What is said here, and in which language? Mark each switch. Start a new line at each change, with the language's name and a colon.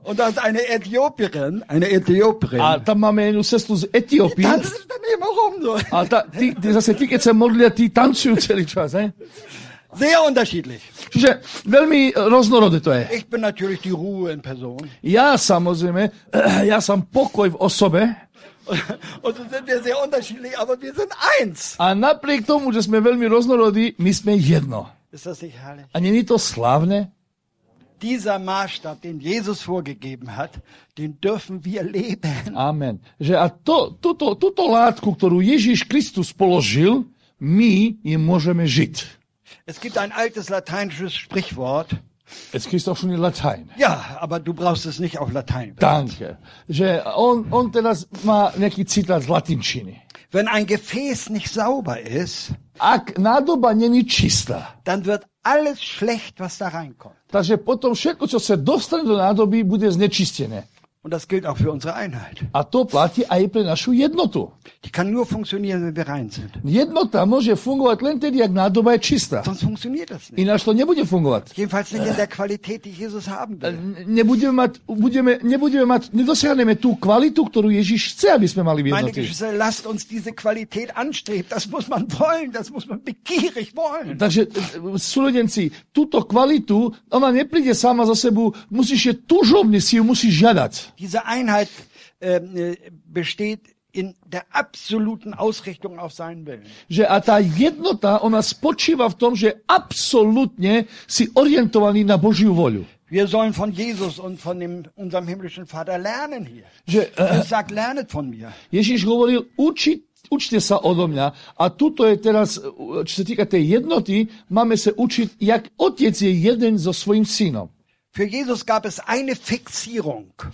German: Und da ist eine Äthiopierin.
Slovak: A tam máme jednu sestru z Etiópie.
German: Das ist dann eben auch um so.
Slovak: A ta, zase ty, keď sa modlia, ty tancujú celý čas, he?
German: Sehr unterschiedlich.
Slovak: Čiže veľmi rôznorodé to je.
German: Ich bin natürlich die Ruhe in Person.
Slovak: Ja samozrejme, ja som pokoj v osobe.
German: Und so sind wir sehr unterschiedlich, aber wir sind eins.
Slovak: A napriek tomu, že sme veľmi rôznorodí, my sme jedno.
German: Ist das nicht herrlich?
Czech: A není to slavné?
German: Dieser Maßstab, den Jesus vorgegeben hat, den dürfen wir leben. Amen.
Slovak: Že a túto látku, ktorú Ježíš Kristus položil, my je môžeme žiť.
German: Es gibt ein altes lateinisches Sprichwort. Es kriegst auch schon in Latein. Ja, aber du brauchst es nicht auf Latein. Danke.
Slovak: Že on teraz má nejaký citát z latinčiny.
German: Wenn ein Gefäß nicht sauber ist,
Slovak: ak nádoba není čistá,
German: dann wird alles schlecht, was da reinkommt.
Slovak: Takže potom všetko, čo sa dostane do nádoby, bude znečistené.
German: Und das gilt auch für unsere Einheit.
Slovak: A to platí aj pre našu jednotu.
German: Die kann nur funktionieren, wenn wir rein sind.
Slovak: Jednota môže fungovať len tedy, ak nádoba je čistá.
German: Sonst funktioniert das nicht.
Slovak: Ináč to nebude fungovať.
German: Jedenfalls nicht in der Qualität, die Jesus haben will.
Slovak: Nedosiahneme tú kvalitu, ktorú Ježiš chce, aby sme mali v jednoty.
German: Meine Geschwister, lasst uns diese Qualität anstreben. Das muss man wollen, das muss man begierig wollen.
Slovak: Takže, súrodenci, túto kvalitu, ona nepríde sama za sebou, musíš je tužovne si ju musíš žiadať.
German: Diese Einheit besteht in der absoluten Ausrichtung auf seinen Willen.
Slovak: Že a tá jednota, ona spočíva v tom, že absolútne si orientovaný na Božiu voľu.
German: Wir sollen von Jesus und von unserem himmlischen Vater lernen hier. Jesus sagt, lernet von mir.
Slovak: Ježíš hovoril, učte sa odo mňa. A tuto je teraz, čo sa týka tej jednoty, máme sa učiť, jak otec je jeden so svojím synom.
German: Für Jesus gab es eine Fixierung.